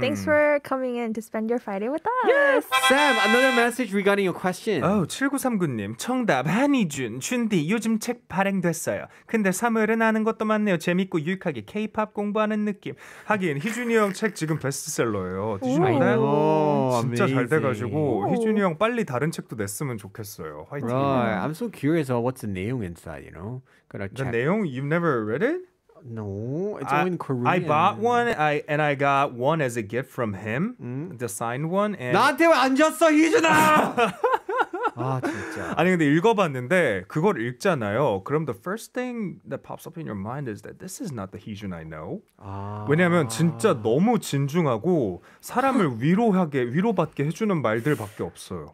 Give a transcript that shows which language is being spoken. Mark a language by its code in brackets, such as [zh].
[en] Thanks for coming in to spend your Friday with us. Yes! Sam, another message regarding your question. [ko] Oh, 7939님, 정답, 한희준, 준디, 요즘 책 발행됐어요. 근데 3월은 아는 것도 많네요. 재밌고 유익하게 K-pop 공부하는 느낌. 하긴 희준이 형 책 지금 베스트셀러예요. 진짜 [en] amazing. [ko] 잘 돼가지고 희준이 형 빨리 다른 책도 냈으면 좋겠어요. 화이팅. [en] Right. I'm so curious about what's the 내용 inside, you know? Gotta check. The 내용? You've never read it? No, it's only in Korean. I bought one and I got one as a gift from him, the signed one. And [ko] 나한테 왜 안 줬어, 희준아? 아 진짜. 아니 근데 읽어봤는데 그걸 읽잖아요. [en] 그럼 the first thing that pops up in your mind is that this is not the Heejun I know. 아. [ko] 왜냐하면 진짜 너무 진중하고 사람을 위로하게 위로받게 해주는 말들밖에 없어요.